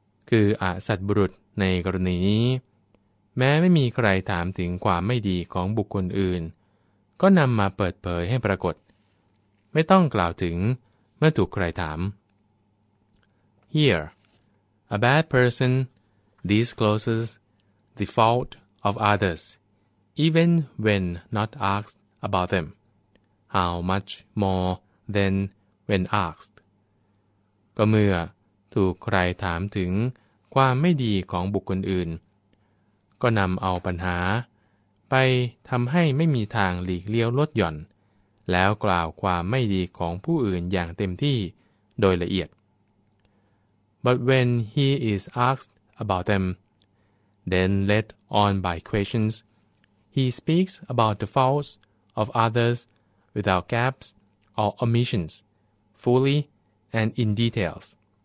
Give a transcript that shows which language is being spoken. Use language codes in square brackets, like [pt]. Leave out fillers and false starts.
[th] คืออสัตบุรุษในกรณีนี้แม้ไม่มีใครถามถึงความไม่ดีของบุคคลอื่นก็นำมาเปิดเผยให้ปรากฏไม่ต้องกล่าวถึงเมื่อถูกใครถาม [en] Here, a bad person discloses the fault of others even when not asked about them. How much more than when asked? [th] ก็เมื่อถูกใครถามถึงความไม่ดีของบุคคลอื่น ก็นำเอาปัญหาไปทำให้ไม่มีทางหลีกเลี่ยวลดหย่อนแล้วกล่าวความไม่ดีของผู้อื่นอย่างเต็มที่โดยละเอียด [en] But when he is asked about them, then led on by questions, he speaks about the faults of others without gaps or omissions, fully and in details.